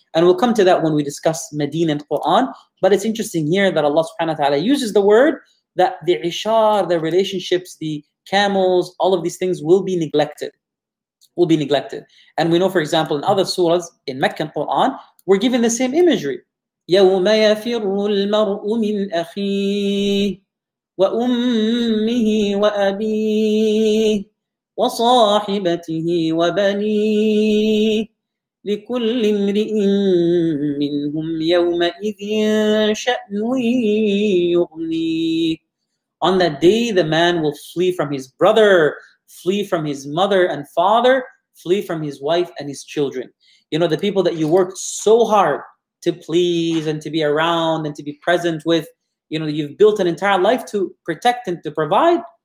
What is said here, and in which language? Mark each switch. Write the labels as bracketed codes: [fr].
[en] And we'll come to that when we discuss Medina and Quran. But it's interesting here that Allah subhanahu wa ta'ala uses the word that the ishar, the relationships, the camels, all of these things will be neglected. Will be neglected. And we know, for example, in other surahs in Meccan Quran, we're given the same imagery. [ar] يَوْمَ يَفِرُّ الْمَرْءُ مِنْ أَخِيهِ وأمه وأبيه وصاحبته وبنيه لكل امرئ منهم يومئذ شأن يغنيه. [en] On that day, the man will flee from his brother, flee from his mother and father, flee from his wife and his children. You know, the people that you worked so hard to please and to be around and to be present with, you know, you've built an entire life to protect and to provide.